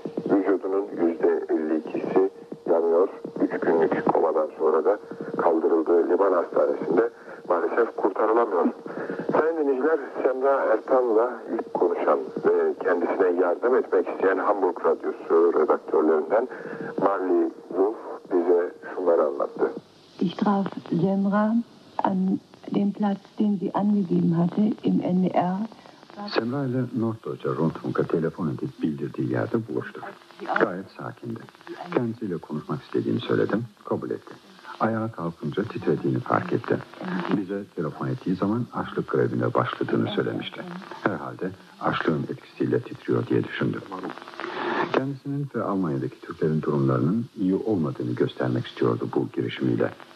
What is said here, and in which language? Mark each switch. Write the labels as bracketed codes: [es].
[tr] Vücudunun %52'si yanıyor. 3 günlük komadan sonra da kaldırıldığı liman hastanesinde maalesef kurtarılamıyor. Sayın dinleyiciler, Semra Ertan'la ilk konuşan ve kendisine yardım etmek isteyen Hamburg Radyosu redaktörlerinden Marley Wolf bize şunları anlattı. [de] Ich traf Semra an dem Platz, den sie angegeben hatte im NDR. [tr] Semra ile Norddeutscher Rundfunk'a telefon edip bildirdiği yerde buluştuk. Gayet sakindi. Kendisiyle konuşmak istediğimi söyledim, kabul etti. Ayağa kalkınca titrediğini fark etti. Bize telefon ettiği zaman açlık grevine başladığını söylemişti. Herhalde açlığın etkisiyle titriyor diye düşündüm. Kendisinin ve Almanya'daki Türklerin durumlarının iyi olmadığını göstermek istiyordu bu girişimiyle.